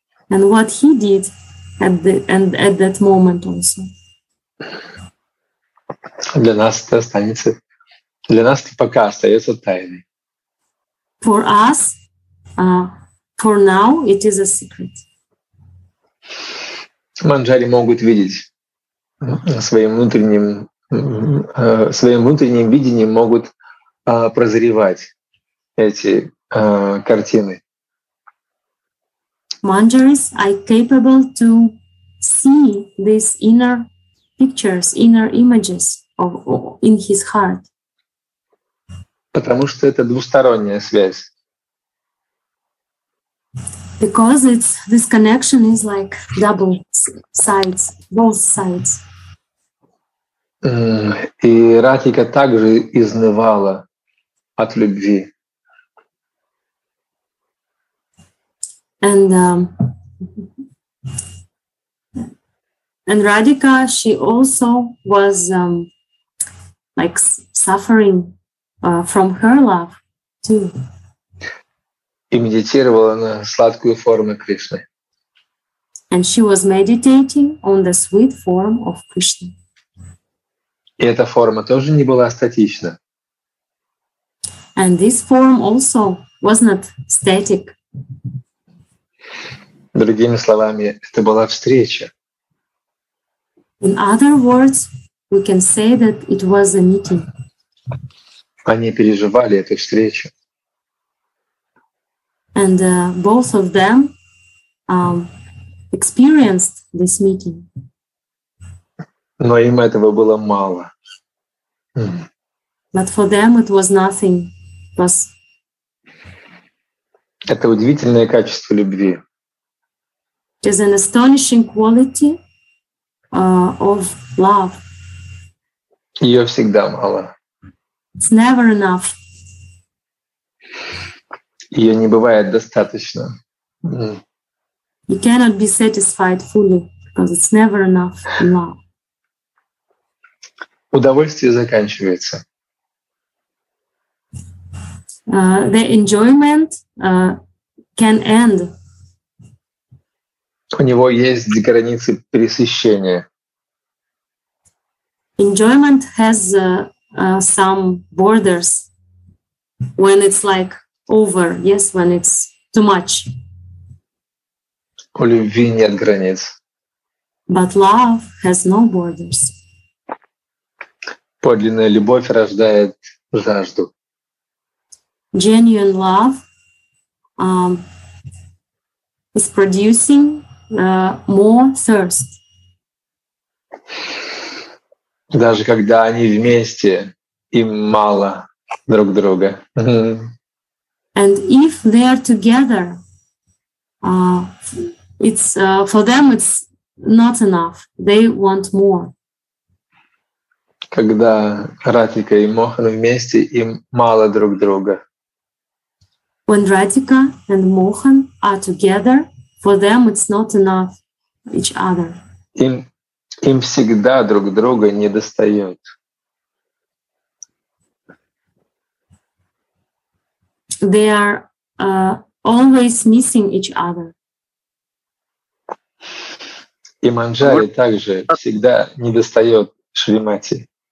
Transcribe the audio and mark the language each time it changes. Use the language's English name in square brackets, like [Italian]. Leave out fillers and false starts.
[English] And what he did at that moment also? [Russian] Для нас это пока остается тайной. [English] For us, for now, it is a secret. [Russian] Манджари могут видеть своим внутренним видением, могут прозревать эти картины. [English] Manjaris are capable to see these inner pictures, inner images of in his heart. [Russian] Потому что это двусторонняя связь. [English] Because it's this connection is like double sides, both sides. [Russian] И Радхика также изнывала от любви. [English] And Radhika, she also was like suffering from her love too. [Russian] И медитировала на сладкую форму Кришны. [English] And she was meditating on the sweet form of Krishna. [Russian] И эта форма тоже не была статична. [English] And this form also was not static. [Russian] Другими словами, это была встреча. [English] In other words, we can say that it was a meeting. [Russian] Они переживали эту встречу. [English] And both of them experienced this meeting. [Russian] Но им этого было мало. [English] But for them it was nothing. [Russian] Это удивительное качество любви. [English] It is an astonishing quality of love. [Russian] Ее всегда мало. [English] It's never enough. [Russian] Ее не бывает достаточно. [English] You cannot be satisfied fully because it's never enough in love. [Russian] Удовольствие заканчивается. [English] The enjoyment can end. [Russian] У него есть границы пресыщения. [English] Enjoyment has some borders when it's like over, yes, when it's too much. [Russian] У любви нет границ. [English] But love has no borders. [Russian] Подлинная любовь рождает жажду. [English] Genuine love is producing more thirst. [Russian] Даже когда они вместе, им мало друг друга. [English] And if they are together, it's for them it's not enough. They want more. [Russian] Когда Радхика и Мохан вместе, им мало друг друга. [English] When Radhika and Mohan are together, for them it's not enough each other. [Russian] Им всегда друг друга недостает. [English] They are always missing each other. [Russian] И Манджари также всегда недостает Шримати.